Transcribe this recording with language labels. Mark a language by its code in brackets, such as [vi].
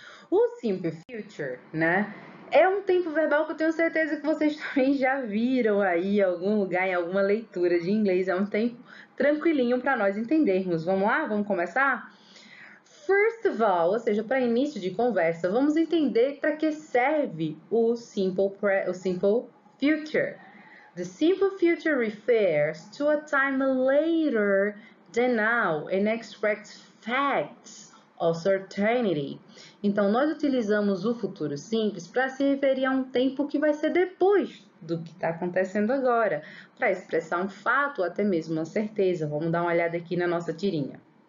[pt] O simple future, né, é um tempo verbal que eu tenho certeza que vocês também já viram aí em algum lugar, em alguma leitura de inglês. É um tempo tranquilinho para nós entendermos. Vamos lá? Vamos começar? [en] First of all, [pt] ou seja, para início de conversa, vamos entender para que serve o simple future. [en] The simple future refers to a time later than now and expects facts of certainty. [pt] Então, nós utilizamos o futuro simples para se referir a um tempo que vai ser depois do que está acontecendo agora, para expressar um fato ou até mesmo uma certeza. Vamos dar uma olhada aqui na nossa tirinha.